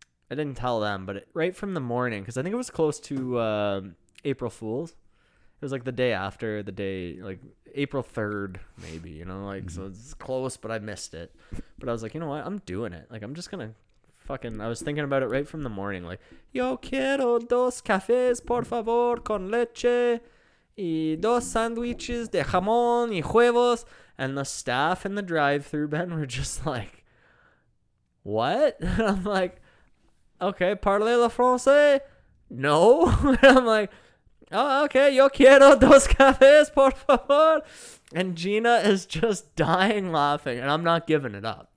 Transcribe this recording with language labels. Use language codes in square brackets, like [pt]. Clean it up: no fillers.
[en] I didn't tell them, but right from the morning, because I think it was close to April Fool's. It was like the day, like April 3rd, maybe, you know, like, so it's close, but I missed it. But I was like, you know what? I'm doing it. Like, I'm just going to fucking, I was thinking about it right from the morning. Like, [es] yo quiero dos cafés, por favor, con leche. Y dos sandwiches de jamón y huevos. [en] And the staff in the drive-thru, Ben, were just like, what? And I'm like, okay, [fr] parlez le français? [en] No. And I'm like, oh, okay, [es] yo quiero dos cafés, por favor. [en] And Gina is just dying laughing, and I'm not giving it up.